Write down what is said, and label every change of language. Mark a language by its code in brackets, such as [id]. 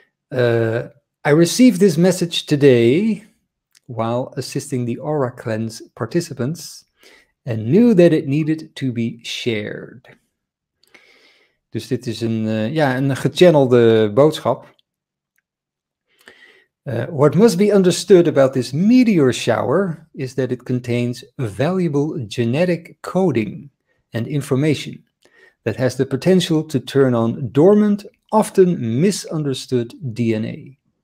[en] I received this message today while assisting the Aura Cleanse participants and knew that it needed to be shared. [nl] Dus dit is een gechannelde boodschap. [en] What must be understood about this meteor shower is that it contains valuable genetic coding and information that has the potential to turn on dormant, often misunderstood DNA.